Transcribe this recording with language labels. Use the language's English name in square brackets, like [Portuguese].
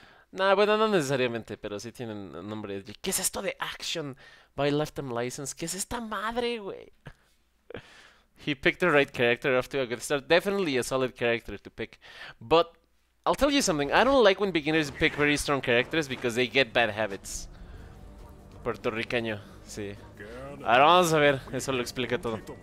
[Spanish] Nah, bueno, no necesariamente, pero sí tienen nombre. ¿Qué es esto de Action by Lifetime License? ¿Qué es esta madre, güey? [English] He picked the right character off to a good start. Definitely a solid character to pick. But I'll tell you something. I don't like when beginners pick very strong characters because they get bad habits. [Spanish] Puertorriqueño, sí. Ahora vamos a ver, eso lo explica todo.